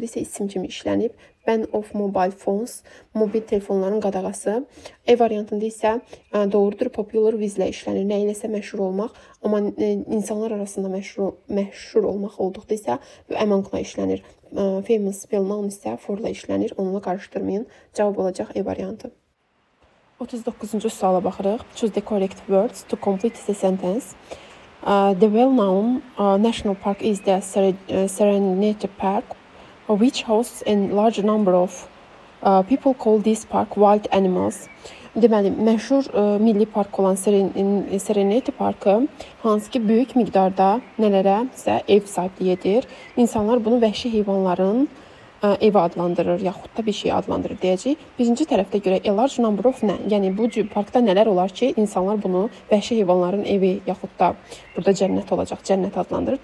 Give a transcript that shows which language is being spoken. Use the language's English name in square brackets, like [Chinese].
[Azerbaijani] Burada isə isim kimi işlənib, ban of mobile phones, mobil telefonların qadağası. E variantında isə doğrudur, popular with-la işlənir, nə iləsə məşhur olmaq, amma insanlar arasında məşhur olmaq olduqda isə among-la işlənir. Famous spell noun isə for-la işlənir. Onunla qarışdırmayın. Cavab olacaq E variantı. 39-cu suala baxırıq. [English] Choose the correct words to complete the sentence. The well-known national park is the Serengeti Park, which hosts a large number of people call this park wild animals. [Azerbaijani] Deməli, məşhur milli park olan Serengeti Parkı hansı ki böyük miqdarda nələrə isə ev sahibliyi edir. İnsanlar bunu vəhşi heyvanların evi adlandırır, yaxud da bir şey adlandırır deyəcək. Birinci tərəfdə görə a large number of nə? Yəni bu cür parkda nələr olar ki, insanlar bunu vəhşi heyvanların evi yaxud da burada cənnət olacaq, cənnət adlandırır.